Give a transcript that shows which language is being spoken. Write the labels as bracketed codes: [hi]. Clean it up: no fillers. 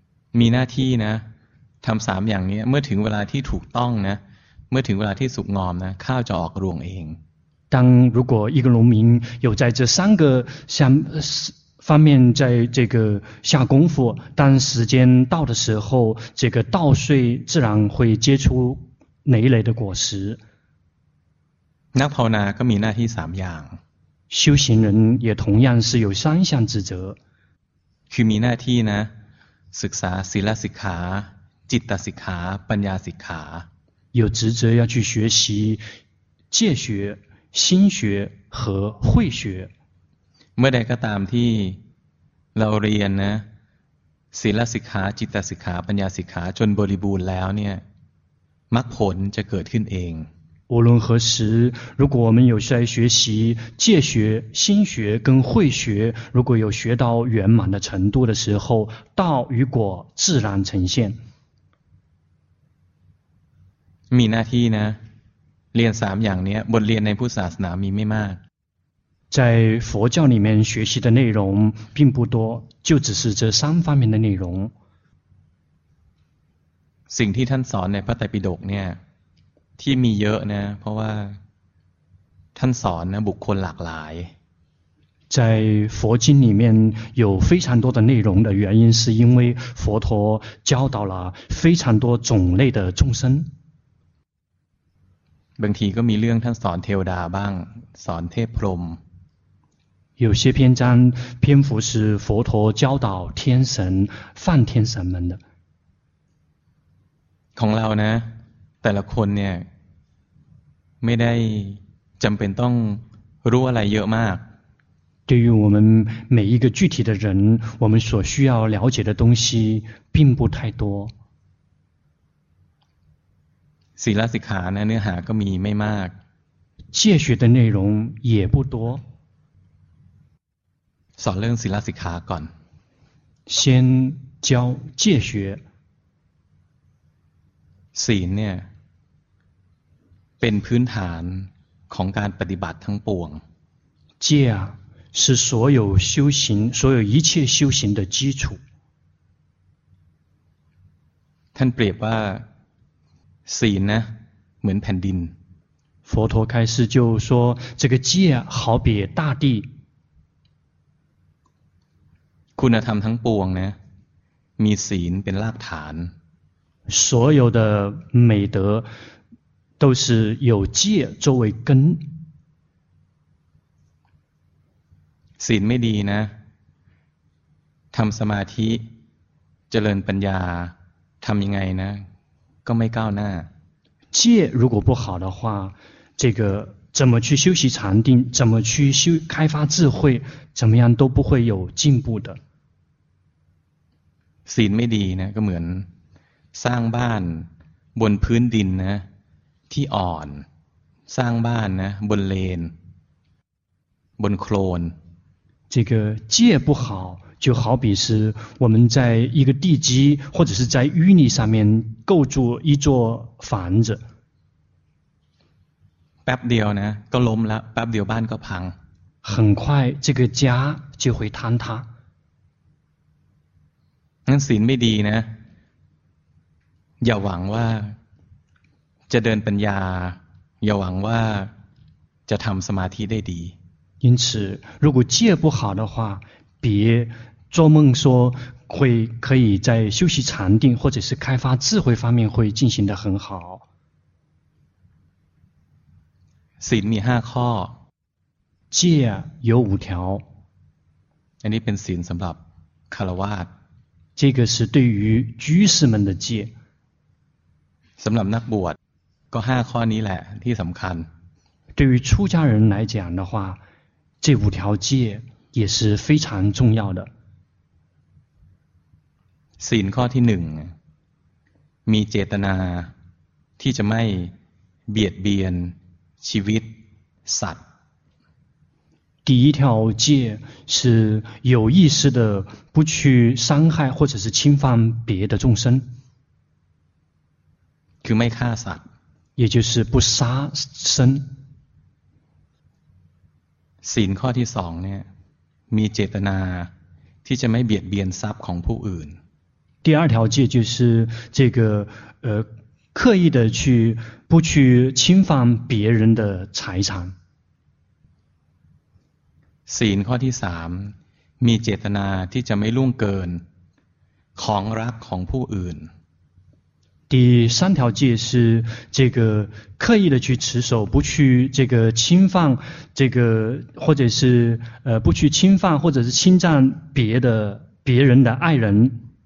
[th] มีหน้าที่นะทำสามอย่างนี้เมื่อถึงเวลาที่ถูกต้องนะเมื่อถึงเวลาที่สุกงอมนะข้าวจะออกรวงเอง [zh] 当如果一个农民有在这三个方面在这个下功夫当时间到的时候这个稻穗自然会结出累累的果实 [th] นักภาวนาก็มีหน้าที่สามอย่าง [zh] 修行人也同样是有三项职责 [th] คือมีหน้าที่นะศึกษาศีลสิกขาจิตตสิกขาปัญญาสิกขา [zh] 有职责要去学习戒学、心学和慧学。 [th] เมื่อใดก็ตามที่เราเรียนนะศีลสิกขาจิตสิกขาปัญญาสิกขาจนบริบูรณ์แล้วเนี่ยมรรคผลจะเกิดขึ้นเอง [zh] 无论何时如果我们有在学习戒学、心学跟慧学如果有学到圆满的程度的时候道与果自然呈现 [th] มีหน้าที่นะเรียนสามอย่างนี้บทเรียนในพุทธศาสนามีไม่มาก [zh] 在佛教里面学习的内容并不多就只是这三方面的内容 [th] สิ่งที่ท่านสอนในพระไตรปิฎกเนี่ยที่มีเยอะนะเพราะว่าท่านสอนนะบุคคลหลากหลาย [zh] 在佛经里面有非常多的内容的原因是因为佛陀教导了非常多种类的众生 [th] บางทีก็มีเรื่องท่านสอนเทวดาบ้างสอนเทพพรหม [zh] 有些篇章篇幅是佛陀教导天神梵天神们的 [th] ของเรานะแต่ละคนเนี่ยไม่ได้จำเป็นต้องรู้อะไรเยอะมาก [zh] 对于我们每一个具体的人我们所需要了解的东西并不太多 [th] ศีลสิกขานะเนื้อหาก็มีไม่มาก [zh] 戒学的内容也不多 [th] สอนเรื่องศีลสิกขาก่อน [zh] 先教戒学 [th] ศีลเนี่ยเป็นพื้นฐานของการปฏิบัติทั้งปวง [zh] 戒啊是所有修行所有一切修行的基础 [th] ท่านเปรียบว่าศีลนะเหมือนแผ่นดิน [zh] 佛陀开示就说这个戒好比大地 [th] คุณธรรมทั้งปวงนะ มีศีลเป็นรากฐาน [zh] 所有的美德都是有戒作为根 [th] ศีลไม่ดีนะทำสมาธิเจริญปัญญาทำยังไงนะก็ไม่ก้าวหน้า [zh] 戒如果不好的话这个怎么去修习禅定怎么去修开发智慧怎么样都不会有进步的 [th] ศีลไม่ดีนะก็เหมือนสร้างบ้านบนพื้นดินนะที่อ่อนสร้างบ้านนะบนเลนบนโคลน [zh] 这个戒不好就好比是我们在一个地基或者是在淤泥上面构筑一座房子 [th] แป๊บเดียวนะก็ล้มแล้วแป๊บเดียวบ้านก็พัง [zh] 很快这个家就会坍塌 [th] งั้นศีลไม่ดีนะอย่าหวังว่าจะเดินปัญญาอย่าหวังว่าจะทำสมาธิได้ดี [zh] 因此如果戒不好的话别做梦说会可以在修习禅定或者是开发智慧方面会进行得很好 [th] ศีลมี5ข้อ [zh] 戒有5条 [th] อันนี้เป็นศีลสำหรับคฤหัสถ์ [zh] 这个是对于居士们的戒 [th] สำหรับนักบวชก็5ข้อนี้แหละที่สำคัญ [zh] 对于出家人来讲的话这5条戒也是非常重要的 [th] ศีลข้อที่1มีเจตนาที่จะไม่เบียดเบียนชีวิตสัตว์ [zh] 第一条戒是有意识的不去伤害或者是侵犯别的众生 [th] คือไม่ฆ่าสัตว์ [zh] 也就是不杀生 [th] ศีลข้อที่2เนี่ยมีเจตนาที่จะไม่เบียดเบียนทรัพย์ของผู้อื่น [zh] 第二条戒就是这个刻意的去不去侵犯别人的财产 [th] ศีลข้อที่3มีเจตนาที่จะไม่ล่วงเกินของรักของผู้อื่น [zh] 第三条戒是这个刻意的去持守不去这个侵犯这个或者是不去侵犯或者是侵占别人的爱人